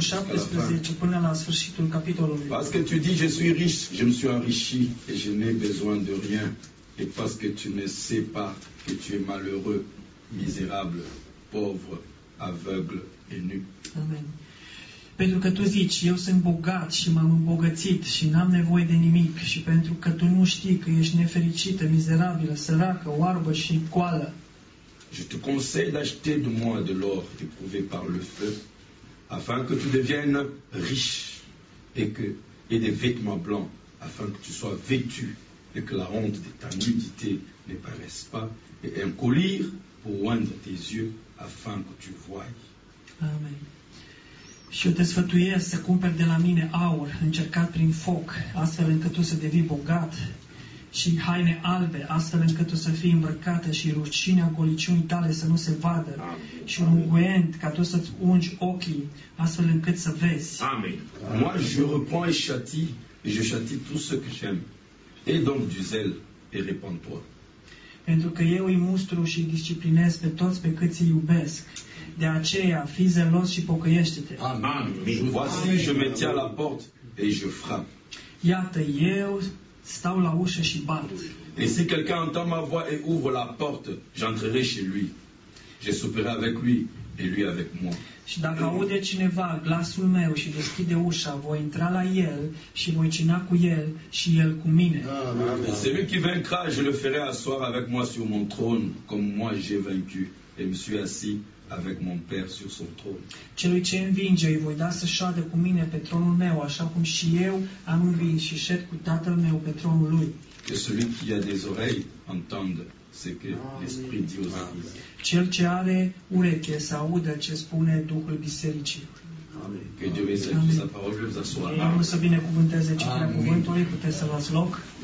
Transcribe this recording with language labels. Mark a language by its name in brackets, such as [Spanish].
[Romanian] 17 până la sfârșitul capitolului. [French] Parce que tu dis je suis riche, je me suis enrichi et je n'ai besoin de rien, et parce que tu ne sais pas que tu es malheureux, misérable, pauvre, aveugle et nu. Amen. [Romanian] Pentru că tu zici eu sunt bogat și m-am îmbogățit și n-am nevoie de nimic, și pentru că tu nu știi că ești nefericită, mizerabilă, săracă, oarbă și coală. [French] Je te conseille d'acheter de moi de l'or éprouvé par le feu, afin que tu deviennes riche, et des vêtements blancs, afin que tu sois vêtu, et que la honte de ta nudité ne paraisse pas, et un collier pour oindre tes yeux, afin que tu voies. Amen. [Romanian] Și eu te sfătuiesc să cumperi de la mine aur încercat prin foc, astfel încât tu să devii bogat, și haine albe, astfel încât tu să fii îmbrăcată și rușinea goliciunii tale să nu se vadă. Amen. Și un unguent ca tu să-ți ungi ochii, astfel încât să vezi. Amen. [French] Moi, je reprends et châtie, et je châtie tout ce que j'aime. Et donc du zel et repens-toi. [Romanian] Pentru că eu îi mustru și disciplinez pe toți pe câți îi iubesc. De aceea, fii zelos și pocăiește-te. Amen. [French] Voici, je me tiens à la porte et je frappe. [Romanian] Iată, eu stau la ușă și bat. [French] Et si quelqu'un entend ma voix et ouvre la porte, j'entrerai chez lui. Je souperai avec lui et lui avec moi. [Romanian] Și dacă aude cineva glasul meu și deschide ușa, voi intra la el și voi cina cu el și el cu mine. Amen. [French] Celui qui vaincra, je le ferai asseoir avec moi sur mon trône, comme moi j'ai vaincu et me suis assis avec mon père sur son trône. [Romanian] Celui ce învinge îi voi da să șadă cu mine pe tronul meu, așa cum și eu am învins și șed cu tatăl meu pe tronul lui. [French] Que celui qui a des oreilles entende ce que l'Esprit dit aux églises. [Romanian] Cel ce are ureche să audă ce spune Duhul bisericii. [French] Amen. Que Dieu bénisse sa parole, je vous assois. Amen. [Romanian] Să binecuvânteze citirea cuvântului, puteți să luați loc.